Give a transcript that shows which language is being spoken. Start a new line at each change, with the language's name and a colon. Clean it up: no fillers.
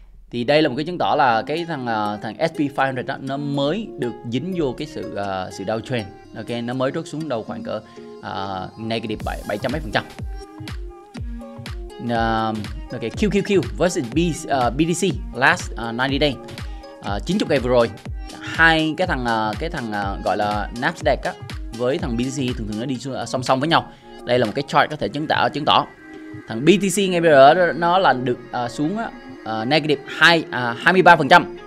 Vietnamese: Thì đây là một cái chứng tỏ là cái thằng SP500 đó, nó mới được dính vô cái sự sự downtrend. Ok, nó mới rớt xuống đầu khoảng cỡ -700 mấy%.
English: Ok, QQQ versus BTC last 90 day.
Vietnamese: 90 ngày vừa rồi, hai cái thằng gọi là Nasdaq á với thằng BTC thường thường nó đi song song với nhau. Đây là một cái chart có thể chứng tỏ. Thằng BTC ngay bây giờ nó là được xuống á -23%.